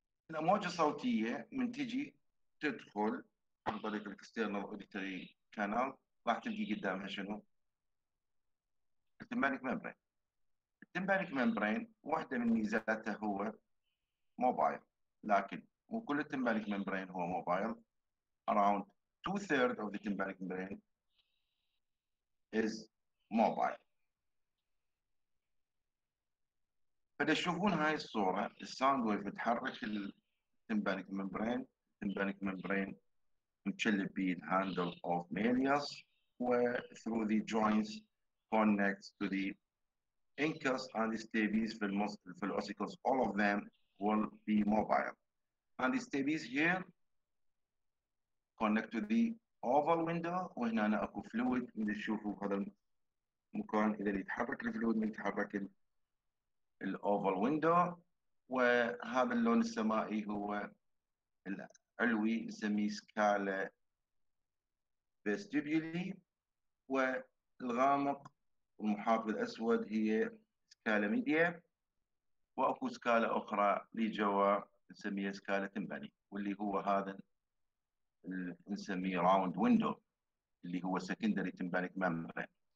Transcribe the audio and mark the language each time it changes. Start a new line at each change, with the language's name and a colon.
Arabic: الأمواج الصوتية من تجي تدخل عن طريق الاكسترنال اوديتري كانال راح تلقي قدامها شنو؟ التمبانيك ممبرين. التمبانيك ممبرين واحدة من ميزاته هو موبايل, لكن وكل التمبانيك ممبرين هو موبايل.
English: Around two thirds of the tympanic membrane is mobile.
Arabic: فده شوفون هاي الصورة, الساوند ويف تحرك tympanic membrane.
English: Tympanic membrane enveloped by the handle of malleus, where through the joints connects to the incus and the stapes. The muscles, the ossicles, all of them will be mobile. And the stapes here connect to the oval window.
Arabic: وهنا أنا أكو fluid من الشوف هذا المكان إذا يتحرك الفلويد من يتحرك ال oval window. وهذا اللون السمائي هو العلوي نسميه سكالا فيستيبيولي, والغامق المحاط بالأسود هي سكالا ميديا, وأكو سكالا أخرى لجوا نسميه سكالا تمباني واللي هو هذا نسميه راوند ويندو اللي هو سكندري تمبانيك ممبرين.